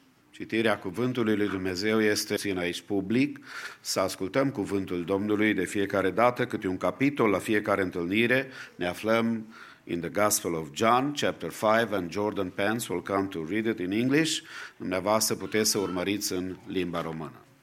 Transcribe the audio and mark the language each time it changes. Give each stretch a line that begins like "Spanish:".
Romanian: Citirea cuvântului lui Dumnezeu este țin aici public, să ascultăm cuvântul Domnului de fiecare dată, câte un capitol la fiecare întâlnire. Ne aflăm
English: in the Gospel of John, chapter 5, and Jordan Pence will come to read it in English.
Romanian: Dumneavoastră puteți să urmăriți în limba română.